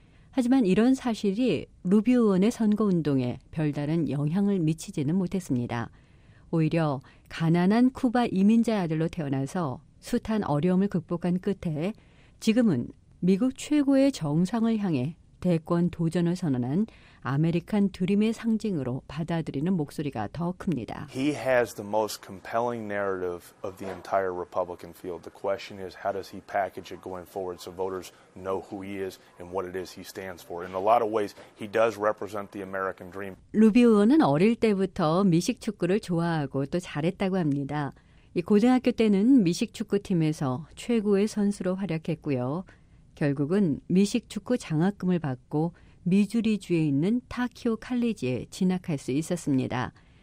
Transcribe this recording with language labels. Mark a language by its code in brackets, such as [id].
[ko] 하지만 이런 사실이 루비오 의원의 선거운동에 별다른 영향을 미치지는 못했습니다. 오히려 가난한 쿠바 이민자의 아들로 태어나서 숱한 어려움을 극복한 끝에 지금은 미국 최고의 정상을 향해 대권 도전을 선언한 아메리칸 드림의 상징으로 받아들이는 목소리가 더 큽니다. [en] He has the most compelling narrative of the entire Republican field. The question is, how does he package it going forward so voters know who he is and what it is he stands for? In a lot of ways, he does represent the American dream. [ko] 루비오 의원은 어릴 때부터 미식 축구를 좋아하고 또 잘했다고 합니다. 고등학교 때는 미식 축구팀에서 최고의 선수로 활약했고요. 결국은 미식 축구 장학금을 받고 미주리주에 있는 타키오 칼리지에 진학할 수 있었습니다.